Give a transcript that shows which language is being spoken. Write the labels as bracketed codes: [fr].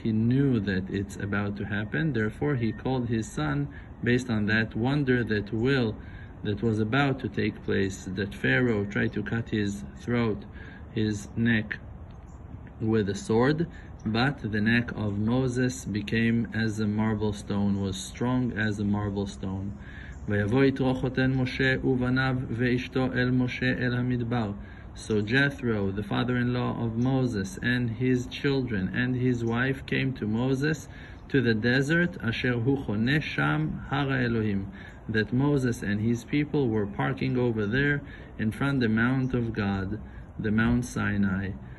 [en] He knew that it's about to happen. Therefore, he called his son based on that wonder that was about to take place, that Pharaoh tried to cut his throat, his neck, with a sword, but the neck of Moses became as a marble stone, was strong as a marble stone. [he] ויבוא יתרו חותן משה ובניו ואשתו אל משה אל המדבר. [en] So Jethro, the father-in-law of Moses, and his children and his wife came to Moses to the desert, [he] אשר הוא חונה שם הר האלוהים, [en] that Moses and his people were parking over there in front of the Mount of God, the Mount Sinai.